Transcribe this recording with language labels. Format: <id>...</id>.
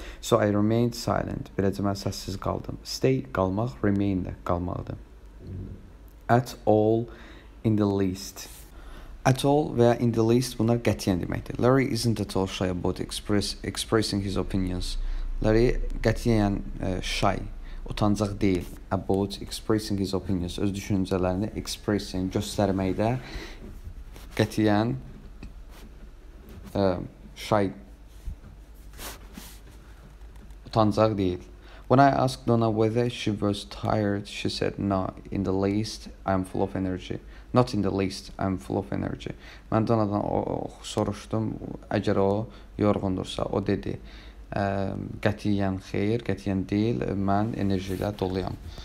<en>So I remained silent.</en> <az>Beləcə mən səssiz qaldım. Stay qalmaq, remain də qalmaqdır.</az> <en>At all in the least. At all və in the least</en> <az>bunlar qətiyyən deməkdir.</az> <en>Larry isn't at all shy about expressing his opinions. Larry</en> <az>qətiyyən</az> <en>shy,</en> <az>utancaq deyil</az> <en>about expressing his opinions.</en> <az>Öz düşüncələrini expressing, göstərməkdə qətiyyən shy, utancaq deyil.</az> <en>When I asked Donna whether she was tired, she said, no, in the least, I'm full of energy. Not in the least, I'm full of energy.</en> <az>Mən Donna'dan soruşdum, əgər o yorğundursa, o dedi, qətiyyən xeyir, qətiyyən deyil, mən enerjilə doluyam.</az>